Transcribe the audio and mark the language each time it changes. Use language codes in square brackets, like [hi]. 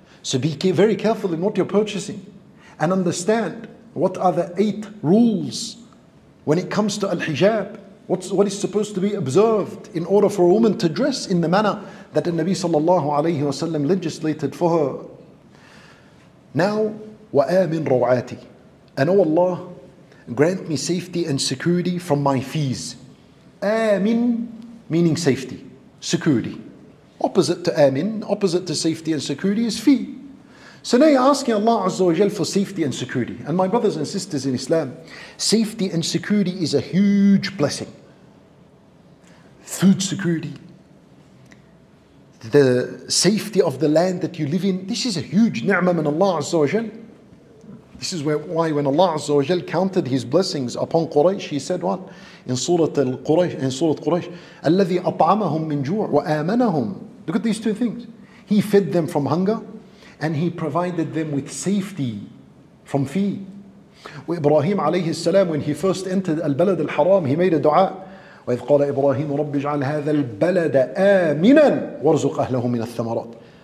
[en] So be very careful in what you're purchasing. And understand what are the 8 rules when it comes to al-hijab. What is supposed to be observed in order for a woman to dress in the manner that the Nabi sallallahu alayhi wa sallam legislated for her. Now, [ar] وَآمِنْ رَوْعَاتِ. [en] And O Allah, grant me safety and security from my fees. آمِن meaning safety, security. Opposite to آمِن, opposite to safety and security is fee. So now you're asking Allah Azza wa Jal for safety and security. And my brothers and sisters in Islam, safety and security is a huge blessing. Food security, the safety of the land that you live in, this is a huge ni'mah from Allah Azza wa Jal. This is why when Allah Azza wa Jal counted his blessings upon Quraysh, he said what? In Surah Quraysh, [ar] الَّذِي أَطْعَمَهُمْ مِنْ جُوعٍ وَآمَنَهُمْ. [en] Look at these two things. He fed them from hunger, and he provided them with safety from fear. With Ibrahim alayhi salam, when he first entered al-Balad al-Haram, he made a dua. [ar] وَإِذْ قَالَ إِبْرَاهِيمُ رَبِّ اجْعَلْ هَذَا الْبَلَدَ آمِنًا وَارْزُقْ أَهْلَهُ مِنَ الثَّمَرَاتِ.